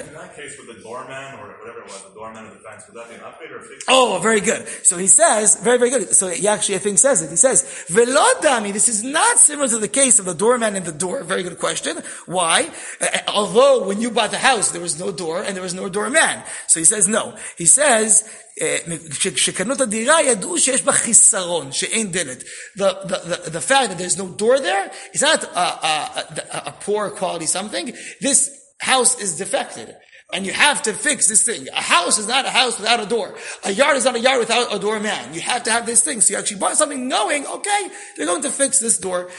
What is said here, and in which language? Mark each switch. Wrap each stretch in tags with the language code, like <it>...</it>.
<en>In that case, with the doorman or whatever it was, the doorman of the fence, would that be an upgrade or a fix? Oh, very good. So he says, very, very good. So he actually, I think, says it. He says, velodami, this is not similar to the case of the doorman and the door. Very good question. Why? Although when you bought the house, there was no door and there was no doorman. So he says, no. He says,</en> <he>כשקנו את הדירה ידעו שיש בה חיסרון שאין דלת.</he> <en>The fact that there's no door there is not a poor quality something. This house is defected and you have to fix this thing. A house is not a house without a door. A yard is not a yard without a doorman. You have to have this thing. So you actually bought something knowing, okay, they're going to fix this door.</en>